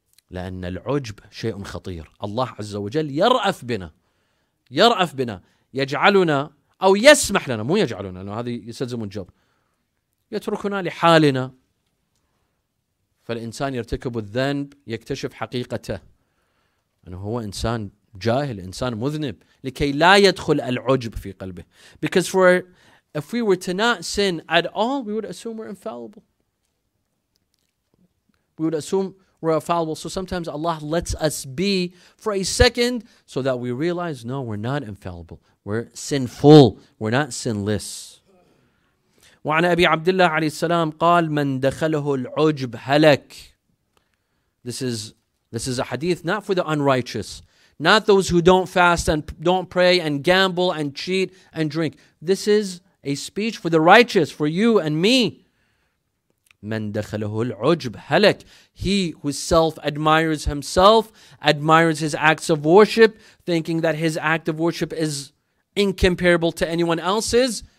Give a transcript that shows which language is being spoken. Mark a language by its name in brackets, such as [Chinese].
[Arabic] لأن العجب شيء خطير، الله عز وجل يرأف بنا، يجعلنا أو يسمح لنا، مو يجعلنا لأنه هذه يستلزم الجبر، يتركنا لحالنا. فالإنسان يرتكب الذنب يكتشف حقيقته أنه هو إنسان جاهل، إنسان مذنب، لكي لا يدخل العجب في قلبه. [English] Because for if we were to not sin at all, we would assume we're infallible. We would assume we're infallible. So sometimes Allah lets us be for a second so that we realize, no, we're not infallible. We're sinful. We're not sinless. [Arabic] وعن أبي عبد الله عليه السلام قال من دخله العجب هلك. [English] This is a hadith not for the unrighteous, not those who don't fast and don't pray and gamble and cheat and drink. This is a speech for the righteous, for you and me. [Arabic] من دخله العجب هلك. [English] He who self-admires himself, admires his acts of worship, thinking that his act of worship is incomparable to anyone else's.